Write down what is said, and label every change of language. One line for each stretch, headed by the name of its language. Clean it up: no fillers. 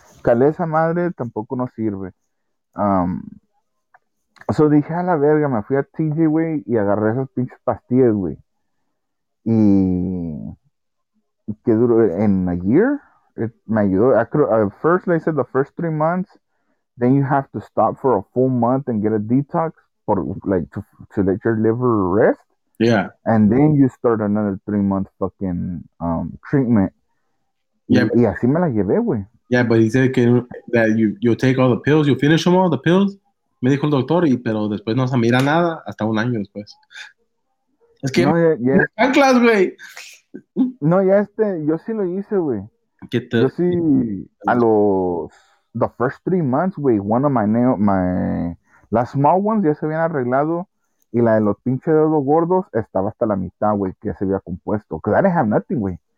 Spanish: Calé esa madre, tampoco no sirve. Eso dije a la verga, me fui a TJ, güey, y agarré esas pinches pastillas, güey. Y qué duró en
English: a year,
Spanish: me ayudó.
English: First they said the first 3 months. Then you have to stop for a full month and get a detox for like to let your liver rest. Yeah. And then you start another 3 month fucking treatment. Yeah.
Spanish: Y así me la llevé, güey.
English: Yeah, but he said that you take all the pills, you finish them all the pills.
Spanish: Me dijo el doctor, y pero después no se mira nada hasta un año después. Es que no, ya anclas, güey. No, ya yo sí lo hice, güey. Yo sí a los
English: the first 3 months,
Spanish: güey,
English: one of my
Spanish: las
English: small ones
Spanish: ya se habían arreglado, y la de los pinches dedos gordos estaba hasta la mitad, güey, que ya se había compuesto. Que
English: I didn't have nothing,
Spanish: güey.